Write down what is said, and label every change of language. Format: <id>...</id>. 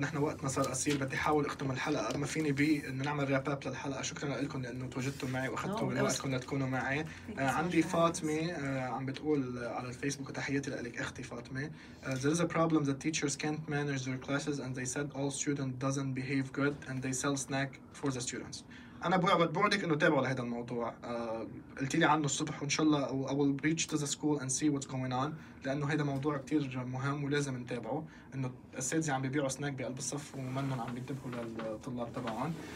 <ar>نحن وقتنا صار قصير بدي حاول اختم الحلقة ما فيني بي ان نعمل راب اب للحلقة. شكرا لكم لانه تواجدتم معي واخذتوا من وقتكم لتكونوا معي. معي. عندي فاطمة عم بتقول على الفيسبوك, تحياتي لك أختي فاطمة.</ar> <en>There is a problem that teachers can't manage their classes and they said all students doesn't behave good and they sell snack for the students.</en> <ar>أنا بوعدك إنه تابعوا لهذا الموضوع. قلت لي عنه الصبح وإن شاء الله</ar> <en>I will reach to the school and see what's going on,</en> <ar>لأنه هذا موضوع كتير مهم ولازم نتابعه, إنه الأساتذة عم بيبيعوا سناك بقلب الصف ومنهم عم بينتبهوا للطلاب تبعهم.</ar>